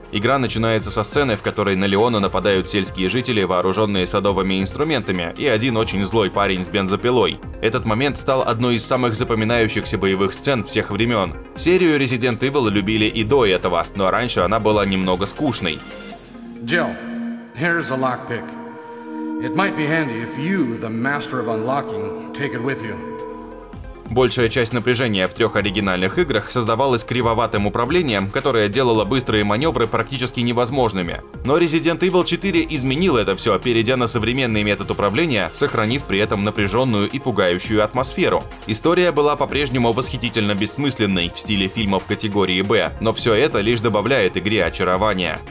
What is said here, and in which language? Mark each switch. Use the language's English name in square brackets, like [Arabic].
[Russian] Игра начинается со сцены, в которой на Леона нападают сельские жители, вооруженные садовыми инструментами, и один очень злой парень с бензопилой. Этот момент стал одной из самых запоминающихся боевых сцен всех времен. Серию Resident Evil любили и до этого, но раньше она была немного скучной. [English] Jill, here's a lockpick. It might be handy if you, the master of unlocking, take it with you. [Russian] Большая часть напряжения в трех оригинальных играх создавалась кривоватым управлением, которое делало быстрые маневры практически невозможными. Но Resident Evil 4 изменил это все, перейдя на современный метод управления, сохранив при этом напряженную и пугающую атмосферу. История была по-прежнему восхитительно бессмысленной в стиле фильмов категории Б, но все это лишь добавляет игре очарования.